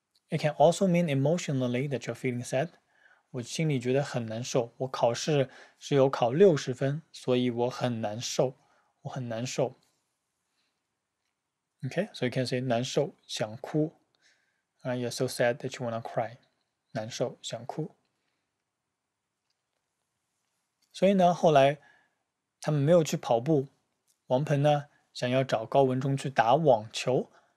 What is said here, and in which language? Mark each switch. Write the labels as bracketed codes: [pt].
[en] It can also mean emotionally that you're feeling sad. [zh] 我心里觉得很难受,我考试是有考60分,所以我很难受。我很难受. [en] Okay, so you can say [zh] 难受,想哭. [en] You're so sad that you want to cry. [zh] 难受,想哭. 所以呢,后来他们没有去跑步.王鹏呢,想要找高文忠去打网球.